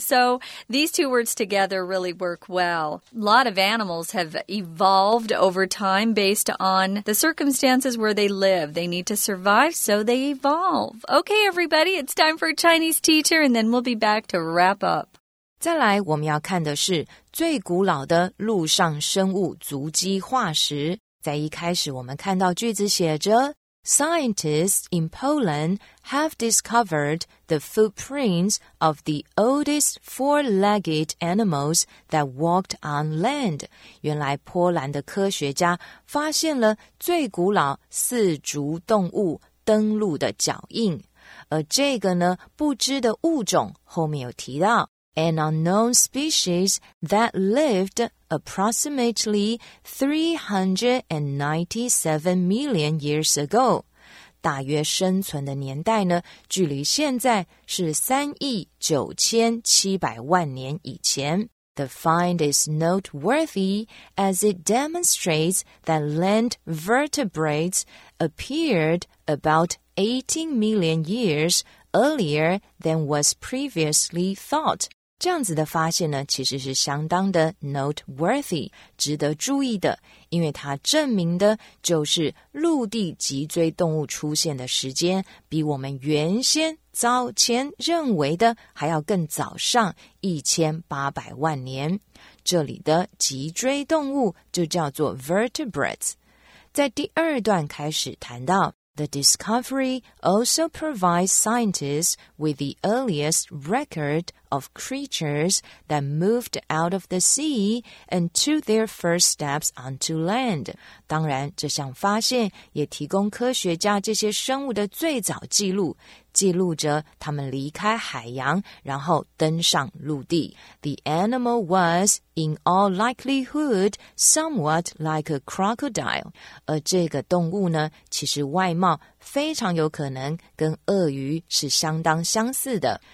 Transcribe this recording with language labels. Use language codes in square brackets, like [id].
[en] So these two words together really work well. A lot of animals have evolved over time based on the circumstances where they live. They need to survive, so they evolve. Okay, everybody, it's time for a Chinese teacher, and then we'll be back to wrap up. [zh] 再来我们要看的是最古老的陆上生物足迹化石。在一开始我们看到句子写着 [en] Scientists in Poland have discovered the footprints of the oldest four-legged animals that walked on land. [zh] 原来波兰的科学家发现了最古老四足动物登陆的脚印。而这个呢不知的物种后面有提到 [en] An unknown species that lived approximately 397 million years ago. [zh] 大约生存的年代呢，距离现在是3.9亿年以前。 [en] The find is noteworthy as it demonstrates that land vertebrates appeared about 18 million years earlier than was previously thought. [zh] 这样子的发现呢，其实是相当的 noteworthy, 值得注意的，因为它证明的就是陆地脊椎动物出现的时间比我们原先早前认为的还要更早上1800万年。这里的脊椎动物就叫做 vertebrates。在第二段开始谈到 [en] The discovery also provides scientists with the earliest record of creatures that moved out of the sea and took their first steps onto land. [zh] 当然，这项发现也提供科学家这些生物的最早记录，记录着它们离开海洋，然后登上陆地。 [en] The animal was, in all likelihood, somewhat like a crocodile. [zh] 而这个动物呢，其实外貌非常有可能跟鳄鱼是相当相似的。